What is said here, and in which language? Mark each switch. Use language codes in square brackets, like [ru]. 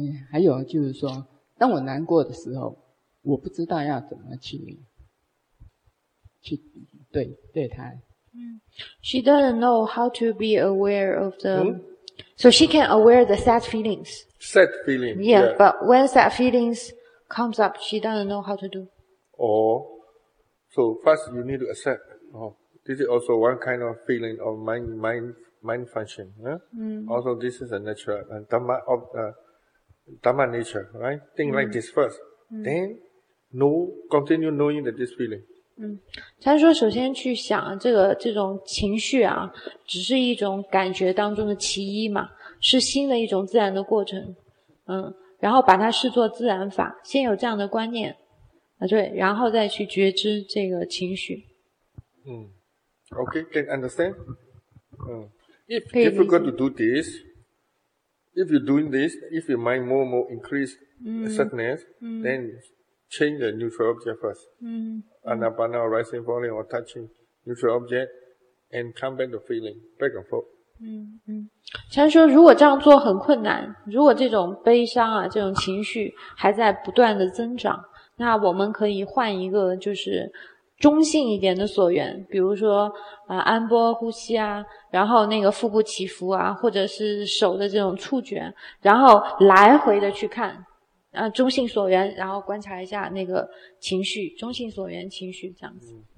[zh] 还有就是说当我难过的时候，我不知道要怎么去对他。 [en] She doesn't know how to be aware of the So she can aware the sad feelings. Sad feeling. Yeah, but when sad feelings comes up, she doesn't know how to do. Oh, so first you need to accept. Oh, this is also one kind of feeling of mind function. Yeah? Also, this is a natural dharma of dharma nature, right? Think like this first. Then continue knowing that this feeling. [zh] 他说首先去想这种情绪啊，只是一种感觉当中的其一嘛，是心的一种自然的过程。然后把它视作自然法，先有这样的观念啊，对，然后再去觉知这个情绪。 [en] Okay, can understand? If you got to do this, if you're doing this, if your mind more increase sadness, then change the neutral object first. Anapana or rising falling or touching neutral object and come back to feeling back and forth. [zh] 禅师说如果这样做很困难，如果这种悲伤啊这种情绪还在不断的增长，那我们可以换一个就是中性一点的所缘，比如说安波呼吸啊，然后那个腹部起伏啊，或者是手的这种触觉，然后来回的去看中性所缘，然后观察一下那个情绪，中性所缘情绪这样子。